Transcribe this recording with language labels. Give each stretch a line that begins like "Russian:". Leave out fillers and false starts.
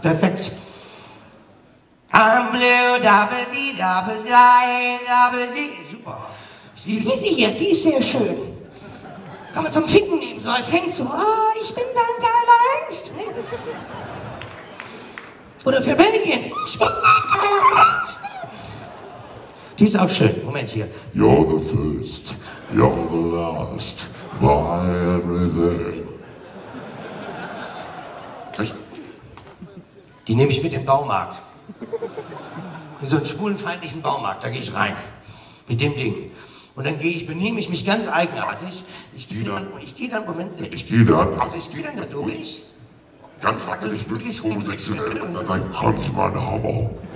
English: Perfekt. I'm blue, double D, double die, double D. Super.
German: Diese hier, die ist sehr schön. Kann man zum Ficken nehmen, so als Hengst. So, oh, ich bin dein geiler Hengst. Oder für Belgien. Ich bin dein geiler Hengst. Die ist auch schön. Moment hier.
English: You're the first, you're the last, my everything.
German: Die nehme ich mit dem Baumarkt. In so einen schwulenfeindlichen Baumarkt. Da gehe ich rein. Mit dem Ding. Und dann gehe ich, benehme ich mich ganz eigenartig. Ich gehe dann da durch. Ganz wackelig, wirklich homosexuell. Und dann sage ich, kommen Sie mal nach Hause.